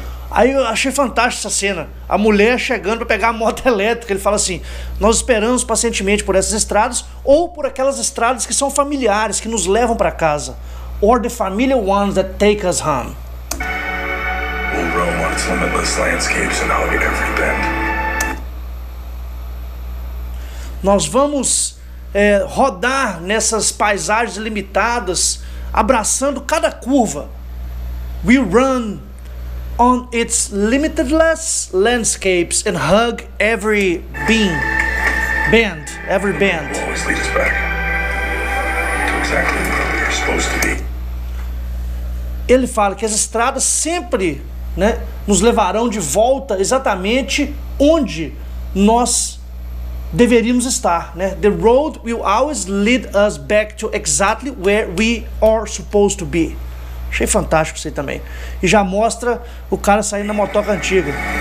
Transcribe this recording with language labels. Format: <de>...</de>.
<pt>Aí eu achei fantástica essa cena. A mulher chegando para pegar a moto elétrica. Ele fala assim: nós esperamos pacientemente por essas estradas ou por aquelas estradas que são familiares, que nos levam para casa.</pt> <en>Or the familiar ones that take us home. We'll roam on its limitless landscapes and hug every bend.</en> <pt>Nós vamos rodar nessas paisagens limitadas, abraçando cada curva.</pt> <en>We run on its limitless landscapes and hug every being. Bend, every bend. Will always lead us back to exactly where we are supposed to be.</en> <pt>Ele fala que as estradas sempre, né, nos levarão de volta exatamente onde nós deveríamos estar, né?</pt> <en>The road will always lead us back to exactly where we are supposed to be.</en> <pt>Achei fantástico isso aí também. E já mostra o cara saindo na motoca antiga.</pt>